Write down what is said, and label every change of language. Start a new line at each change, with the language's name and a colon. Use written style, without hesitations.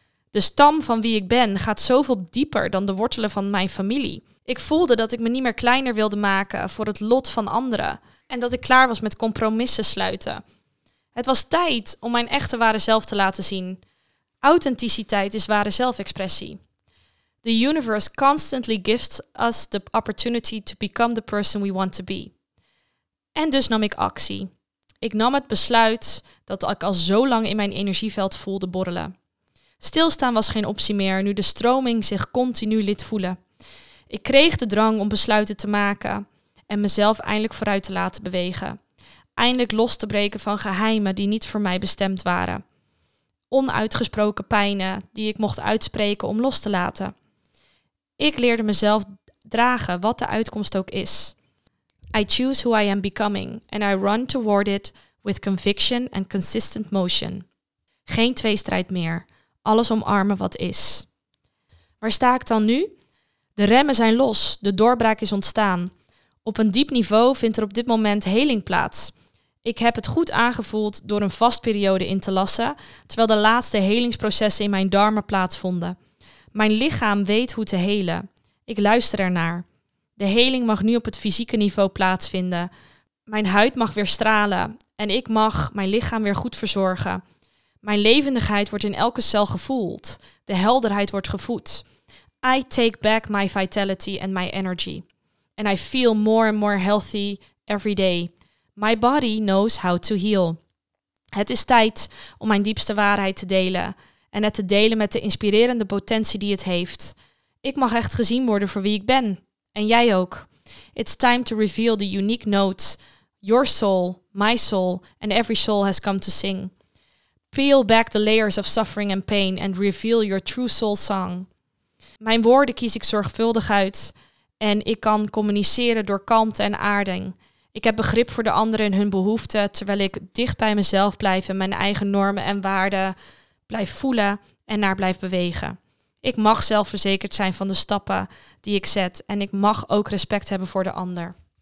Dutch: De stam van wie ik ben gaat zoveel dieper dan de wortelen van mijn familie. Ik voelde dat ik me niet meer kleiner wilde maken voor het lot van anderen. En dat ik klaar was met compromissen sluiten. Het was tijd om mijn echte ware zelf te laten zien. Authenticiteit is ware zelfexpressie.
English: The universe constantly gives us the opportunity to become the person we want to be.
Dutch: En dus nam ik actie. Ik nam het besluit dat ik al zo lang in mijn energieveld voelde borrelen. Stilstaan was geen optie meer, nu de stroming zich continu liet voelen. Ik kreeg de drang om besluiten te maken en mezelf eindelijk vooruit te laten bewegen. Eindelijk los te breken van geheimen die niet voor mij bestemd waren. Onuitgesproken pijnen die ik mocht uitspreken om los te laten. Ik leerde mezelf dragen wat de uitkomst ook is.
English: I choose who I am becoming and I run toward it with conviction and consistent motion.
Dutch: Geen tweestrijd meer. Alles omarmen wat is. Waar sta ik dan nu? De remmen zijn los. De doorbraak is ontstaan. Op een diep niveau vindt er op dit moment heling plaats. Ik heb het goed aangevoeld door een vastperiode in te lassen, terwijl de laatste helingsprocessen in mijn darmen plaatsvonden. Mijn lichaam weet hoe te helen. Ik luister ernaar. De heling mag nu op het fysieke niveau plaatsvinden. Mijn huid mag weer stralen en ik mag mijn lichaam weer goed verzorgen. Mijn levendigheid wordt in elke cel gevoeld. De helderheid wordt gevoed.
English: I take back my vitality and my energy. And I feel more and more healthy every day. My body knows how to heal.
Dutch: Het is tijd om mijn diepste waarheid te delen. En het te delen met de inspirerende potentie die het heeft. Ik mag echt gezien worden voor wie ik ben. En jij ook.
English: It's time to reveal the unique note. Your soul, my soul and every soul has come to sing. Peel back the layers of suffering and pain and reveal your true soul song.
Dutch: Mijn woorden kies ik zorgvuldig uit en ik kan communiceren door kalmte en aarding. Ik heb begrip voor de anderen en hun behoeften terwijl ik dicht bij mezelf blijf en mijn eigen normen en waarden blijf voelen en naar blijf bewegen. Ik mag zelfverzekerd zijn van de stappen die ik zet en ik mag ook respect hebben voor de ander.